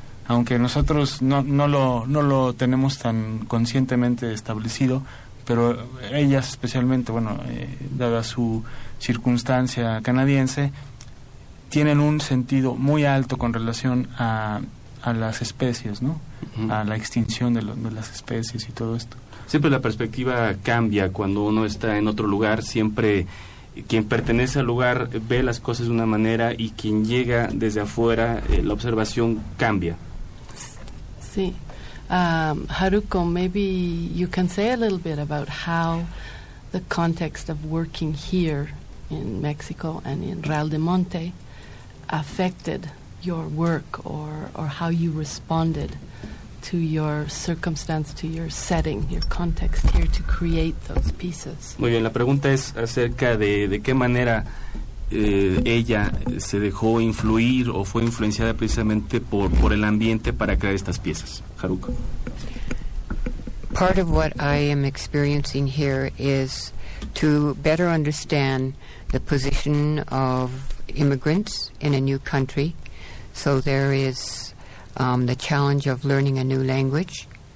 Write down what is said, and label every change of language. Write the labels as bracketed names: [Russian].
[Spanish] Aunque nosotros no lo tenemos tan conscientemente establecido, pero ellas especialmente, bueno, dada su circunstancia canadiense, tienen un sentido muy alto con relación a las especies, ¿no? Uh-huh. A la extinción de las especies y todo esto. Siempre la perspectiva cambia cuando uno está en otro lugar. Siempre quien pertenece al lugar ve las cosas de una manera y quien llega desde afuera, la observación cambia. Sí. [English] Haruko, maybe you can say a little bit about how the context of working here in Mexico and in Real de Monte affected your work or how you responded to your circumstance, to your setting, your context here to create those pieces. [Spanish] Muy bien, la pregunta es acerca de qué manera ella se dejó influir o fue influenciada precisamente por el ambiente para crear estas piezas. Haruko. [English] Part of what I am experiencing here is to better understand the position of immigrants in a new country. So there is the challenge of learning a new language.